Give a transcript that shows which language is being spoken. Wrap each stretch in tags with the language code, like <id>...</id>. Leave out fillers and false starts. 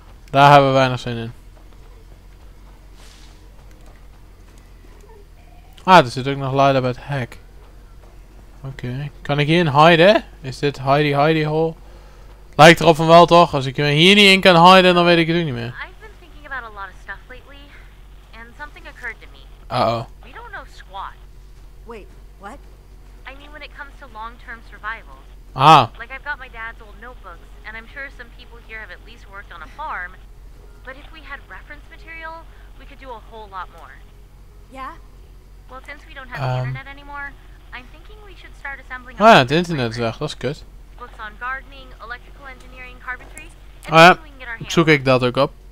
<nl>Daar hebben we weinig zin in. Ah, er zit ook nog</nl> <en>light up at hack.</en> <nl>Oké, okay. Kan ik hierin hiden? Is dit hidey hidey hole? Lijkt erop van wel toch? Als ik me hier niet in kan hiden, dan weet ik het ook niet meer.</nl> <en>I've been thinking about a lot of stuff lately. And something occurred to me. We don't know squat. Wait, what? I mean when it comes to long-term survival. Ah. Like I've got my dad's old notebooks, and I'm sure some people here have at least worked on a farm. But if we had reference material, we could do a whole lot more. Yeah? Well, since we don't have the internet anymore, I'm thinking we should start assembling a... Oh yeah, the internet is</en> <nl>weg,</nl> <en>that's good. Books on gardening, electrical engineering, carpentry. And oh yeah,</en> <nl>zoek ik dat ook op.</nl>